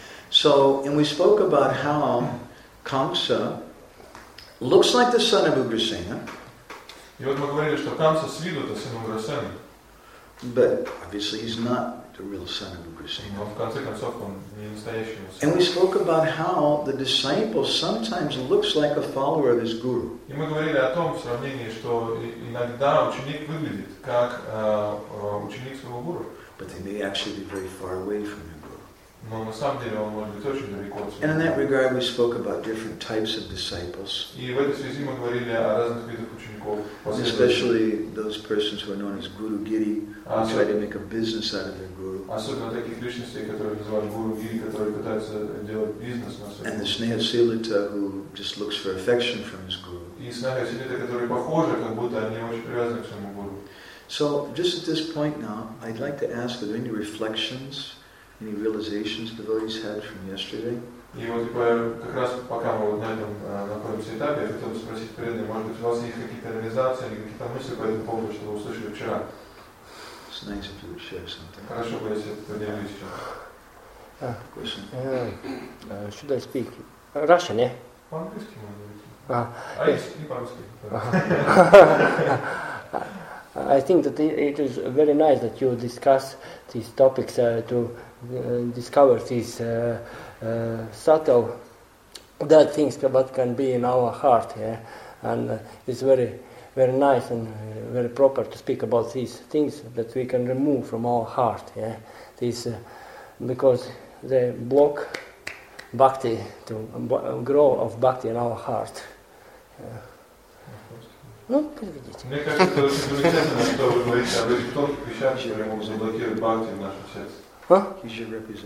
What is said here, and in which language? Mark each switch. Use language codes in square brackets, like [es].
[en] So, and we spoke about how Kamsa looks like the son of Ugrasena. But obviously he's not the real son of Ugrasena. And we spoke about how the disciple sometimes looks like a follower of his guru. [ru] И мы говорили о том в сравнении, что иногда ученик выглядит как ученик своего гуру. [en] But they may actually be very far away from him. [ru] Но на самом деле он может быть очень далеко от себя. [en] And in that regard, we spoke about different types of disciples. [ru] И в этой связи мы говорили о разных видах учеников. [en] Especially those persons who are known as guru giri, who try to make a business out of their guru. [ru] Особенно таких личностей, которые называют guru giri, которые пытаются делать бизнес на своем. [en] And the snehasilita, who just looks for affection from his guru. [ru] И снехасилита, которые похожи, как будто они очень привязаны к своему гуру. [en] So just at this point now, I'd like to ask, are there any reflections? Any realizations devotees had from yesterday? [ru] И вот как раз пока мы вот на этом находимся этапе, я хотел бы спросить преданных, может быть, у вас есть какие-то реализации или какие-то мысли по этому поводу, что вы услышали вчера? [en] It's nice if you would share something. [ru] Хорошо бы, если это поделились еще. [en] Should I speak? Russian, yeah? [ru] По-английски, может быть. Не по-русски. [en] I think that it is very nice that you discuss these topics to discover these subtle dead things that can be in our heart, yeah? And it's very, very nice and very proper to speak about these things that we can remove from our heart, yeah. These because they block bhakti to grow of bhakti in our heart. [ru] Ну, переведите. Мне кажется, это очень замечательно, что вы говорите об этих тонких вещах, которые могут заблокировать бхакти в нашем сердце.